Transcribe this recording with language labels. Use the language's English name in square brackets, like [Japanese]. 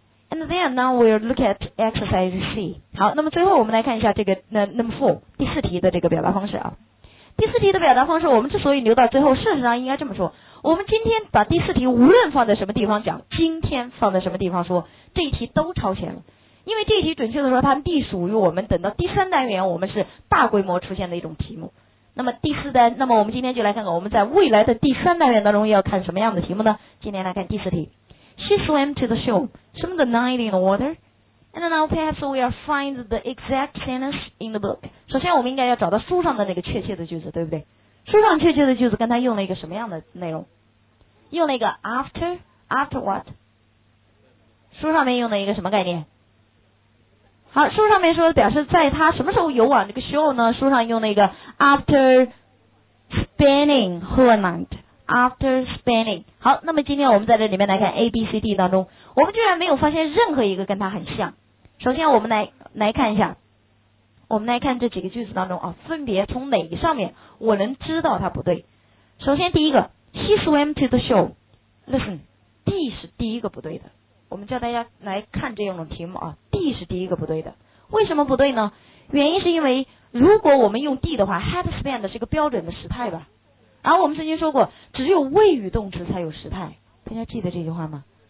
[English] And then now we'll look at exercise C. [Chinese] 好，那么最后我们来看一下这个 [English] number four [Chinese] 第四题的这个表达方式啊。第四题的表达方式，我们之所以留到最后，事实上应该这么说：我们今天把第四题无论放在什么地方讲，今天放在什么地方说，这一题都超前了。因为这一题准确的说，它隶属于我们等到第三单元，我们是大规模出现的一种题目。那么第四单，那么我们今天就来看看我们在未来的第三单元当中要看什么样的题目呢？今天来看第四题。 [English] She swam to the shore, swam the night in the water, and now perhaps we are find the exact sentence in the book. [Chinese] 首先我们应该要找到书上的那个确切的句子，对不对？书上确切的句子跟他用了一个什么样的内容？用了一个 [English] after what? [Chinese] 书上面用了一个什么概念？好，书上面说表示在他什么时候游往这个 shore 呢？书上用了一个 [English] after spending her night。 After spending， [Chinese] 好，那么今天我们在这里面来看 A B C D 当中，我们居然没有发现任何一个跟它很像。首先，我们来看一下，我们来看这几个句子当中啊，分别从哪个上面我能知道它不对。首先，第一个 ， [English] She swam to the shore。 Listen， [Chinese] D 是第一个不对的。我们叫大家来看这种题目啊 ，D 是第一个不对的。为什么不对呢？原因是因为如果我们用 D 的话 ， [English] had spend [Chinese] 是个标准的时态吧。然后我们曾经说过只有谓语动词才有时态，大家记得这句话吗？